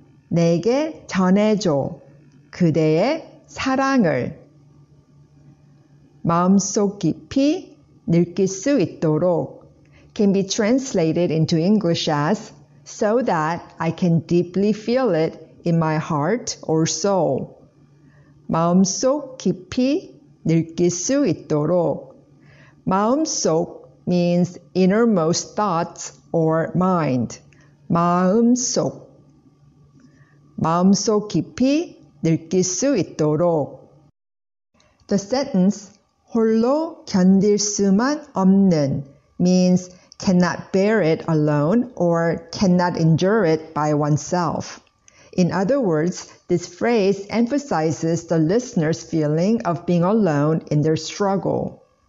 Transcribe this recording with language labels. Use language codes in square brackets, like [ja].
[ko] 내게 전해줘 그대의 사랑을 마음속 깊이 느낄 수 있도록 [en] can be translated into English as so that I can deeply feel it in my heart or soul. [ko] 마음속 깊이 느낄 수 있도록. [en] 마음속 means innermost thoughts or mind. [ko] 마음속. 마음속 깊이 느낄 수 있도록. [en] The sentence [ko] 홀로 견딜 수만 없는 [en] means cannot bear it alone or cannot endure it by oneself. In other words, this phrase emphasizes the listener's feeling of being alone in their struggle.